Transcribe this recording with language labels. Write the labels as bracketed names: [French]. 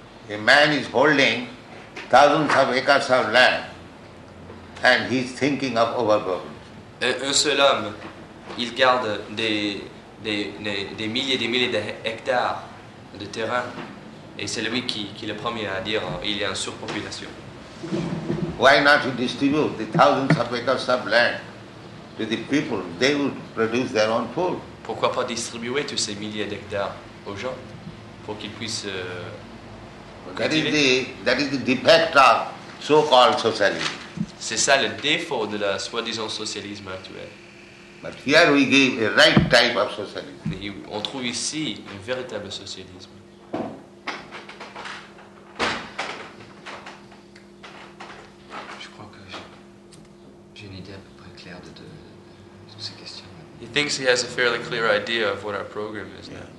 [English] A man is holding thousands of acres of land and he's thinking of overburdening. [French] Un seul homme, il garde des milliers et des milliers d'hectares de terrain et c'est lui qui est le premier à dire il y a une surpopulation. [English] Why not you distribute the thousands of acres of land to the people? They would produce their own food. [French] Pourquoi pas distribuer tous ces milliers d'hectares aux gens pour qu'ils puissent [English] That is the defect of so-called socialism. [French] C'est ça le défaut de la soi-disant socialisme actuel. [English] But here we give a right type of socialism. [French] Et on trouve ici un véritable socialisme. Je crois que j'ai une idée à peu près claire de toutes ces questions. [English] He thinks he has a fairly clear idea of what our program is now.